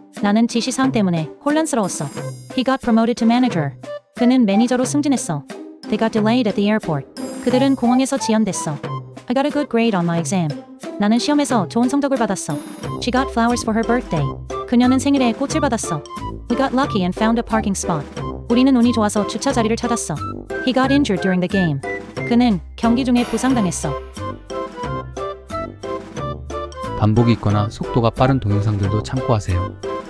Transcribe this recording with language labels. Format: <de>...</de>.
<ko>나는 지시사항 때문에 혼란스러웠어.</ko> <en>He got promoted to manager.</en> <ko>그는 매니저로 승진했어.</ko> <en>They got delayed at the airport.</en> <ko>그들은 공항에서 지연됐어.</ko> <en>I got a good grade on my exam.</en> <ko>나는 시험에서 좋은 성적을 받았어.</ko> <en>She got flowers for her birthday.</en> <ko>그녀는 생일에 꽃을 받았어.</ko> <en>We got lucky and found a parking spot.</en> <ko>우리는 운이 좋아서 주차 자리를 찾았어.</ko> <en>He got injured during the game.</en> <ko>그는 경기 중에 부상당했어. 반복이 있거나 속도가 빠른 동영상들도 참고하세요.</ko>